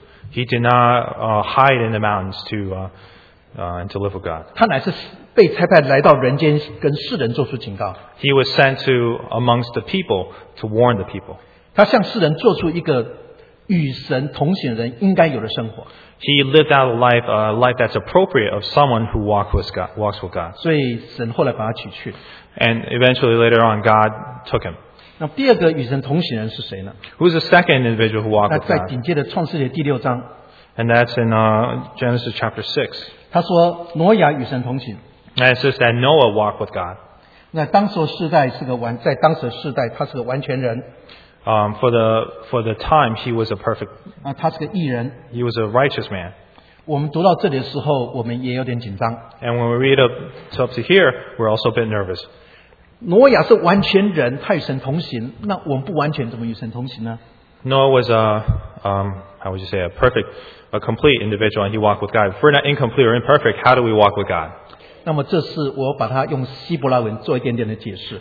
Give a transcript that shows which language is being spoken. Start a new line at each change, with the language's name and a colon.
English: He did not hide in the mountains to live with God.
Chinese: 他乃是被差派来到人间跟世人做出警告。
English: He was sent to amongst the people to warn the people.
Chinese: 他向世人做出一个与神同行的人应该有的生活。
English: He lived out a life that's appropriate of someone who walks with God.
Chinese: 所以神后来把他取去。
English: And eventually later on, God took him.
Chinese: 那第二个与神同行人是谁呢？
English: Who's the second individual who walked with God?
Chinese: 那在紧接着创世纪第六章。
English: And that's in Genesis chapter 6.
Chinese: 他说挪亚与神同行。
English: And it says that Noah walked with God.
Chinese: 那当时世代是个完全人。
English: For the time, he was a perfect.
Chinese: 啊，他是个义人。
English: He was a righteous man.
Chinese: 我们读到这里的时候，我们也有点紧张。
English: And when we read up to here, we're also a bit nervous.
Chinese: 挪亚是完全人，他与神同行，那我们不完全怎么与神同行呢？
English: Noah was a perfect, a complete individual, and he walked with God. If we're not incomplete or imperfect, how do we walk with God?
Chinese: 那么这是我把它用希伯来文做一点点的解释。